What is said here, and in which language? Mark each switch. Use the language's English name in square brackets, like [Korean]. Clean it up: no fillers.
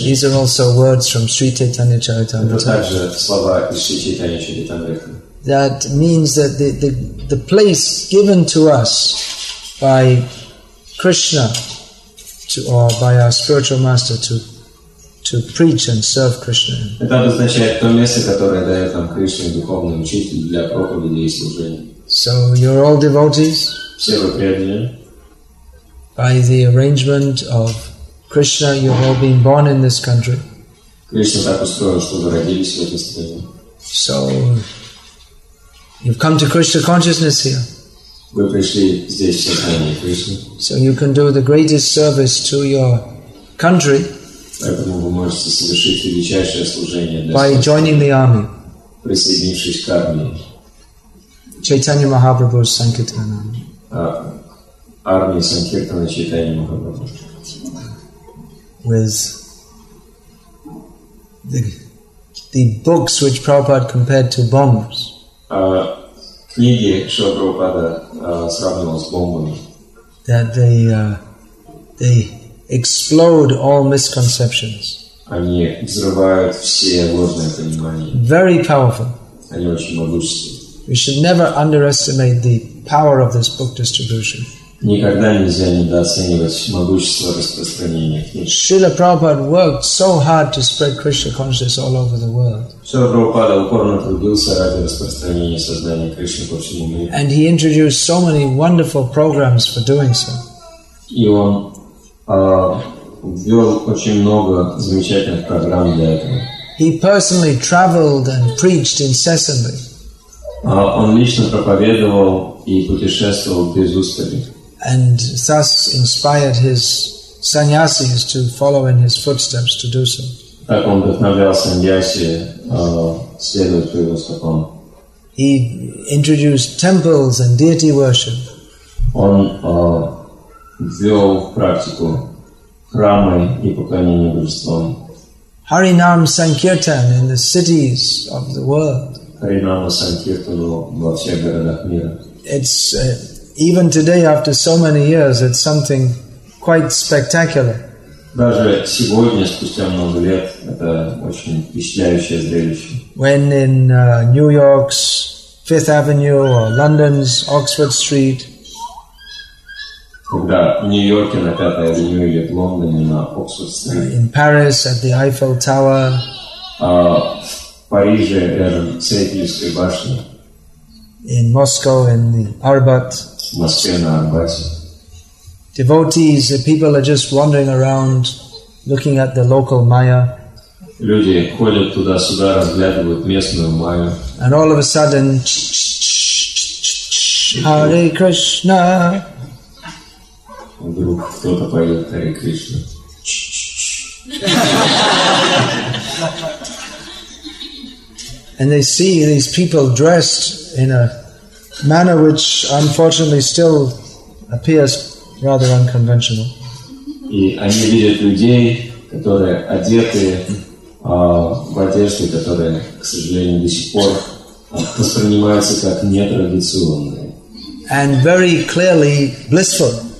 [English] These are also words from Sri Chaitanya Charitamrita. [Russian] Это также слова из Sri Chaitanya Charitamrita. [English] That means that the place given to us by Krishna to, or by our spiritual master to preach and serve Krishna. [Russian] Это обозначает то место, которое дает нам Кришна, духовный учитель для проповеди и служения. [English] So you're all devotees. [Russian] Все вы преданные. [English] By the arrangement of Krishna, you've all been born in this country. [Russian] Кришна так устроил, что вы родились в этой стране. [English] So you've come to Krishna consciousness here. [Russian] Вы пришли здесь, в сознание Кришны. [English] So you can do the greatest service to your country. [Russian] Поэтому вы можете совершить величайшее служение для [English] by joining the army. [Russian] Присоединившись к армии. [English] Chaitanya Mahaprabhu's Sankirtan army. [Russian] Армия Санкиртана Чайтанья Махапрабху. [English] With the books which Prabhupada compared to bombs. [Russian] Книги, что Прабхупада сравнивал с бомбами. [English] That they explode all misconceptions. [Russian] Они взрывают все ложные понимания. [English] Very powerful. [Russian] Они очень могущественны. [English] We should never underestimate the power of this book distribution. [Russian] Никогда нельзя недооценивать могущество распространения книг. [English] Srila Prabhupada worked so hard to spread Krishna consciousness all over the world. [Russian] Srila Prabhupada упорно трудился ради распространения сознания Кришны по всему миру. [English] And he introduced so many wonderful programs for doing so. [Russian] И он ввел очень много замечательных программ для этого. [English] He personally traveled and preached incessantly. [Russian] Он лично проповедовал и путешествовал без устали. [English] And thus inspired his sannyasi is to follow in his footsteps to do so. [Russian] Так он вдохновлял саньяси следовать по его стопам. [English] He introduced temples and deity worship. [Russian] Он ввел в практику храмы и поклонение божествам. [English] Харинам Санкиртан in the cities of the world. [Russian] Харинама Санкиртану во всех городах мира. [English] It's even today, after so many years, it's something quite spectacular. [Russian] Даже сегодня, спустя много лет, это очень впечатляющее зрелище. [English] When in New York's Fifth Avenue or London's Oxford Street. [Russian] Когда в Нью-Йорке на Пятой Авеню или в Лондоне на Оксфорд-стрит. [English] In Paris at the Eiffel Tower. [Russian] В Париже рядом с Эйфелевской башней. [English] In Moscow in the Arbat. [Russian] В Москве на Арбате. [English] Devotees, the people are just wandering around, looking at the local Maya. [Russian] Люди ходят туда-сюда, разглядывают местную Майю. [English] And all of a sudden, Hare Krishna. [Russian] Вдруг кто-то поет Hare Krishna. [English] And they see these people dressed in a manner which unfortunately still appears rather unconventional. [Russian] И они видят людей, которые одеты в одежде, которая, к сожалению, до сих пор воспринимается как нетрадиционная. [English] And very clearly blissful.